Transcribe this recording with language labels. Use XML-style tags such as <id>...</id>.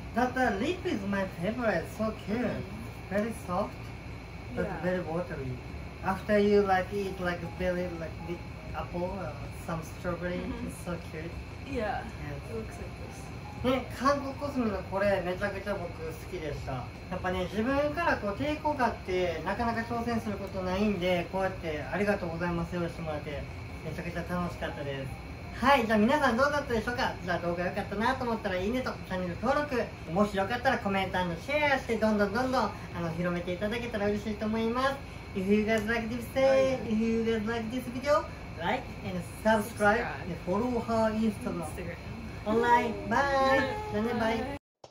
<en>But the lip is my favorite, so cute. Very soft, but very watery. After you like eat like a berry, like big apple or some strawberry, it's so cute. Yeah, it looks like this.</en> <ja>ね、韓国コスメのこれめちゃくちゃ僕好きでした。やっぱね、自分からこう抵抗があってなかなか挑戦することないんで、こうやってありがとうございます用意してもらってめちゃくちゃ楽しかったです。はい、じゃあ皆さんどうだったでしょうか。じゃあ動画良かったなと思ったらいいねとチャンネル登録、もしよかったらコメント&シェアしてどんどんどんどん広めていただけたら嬉しいと思います。</ja> <en>If you guys like this day, if you guys like this video, like and subscribe and follow her Instagram online. Bye!</en> <ja>じゃあね、バイ。</ja>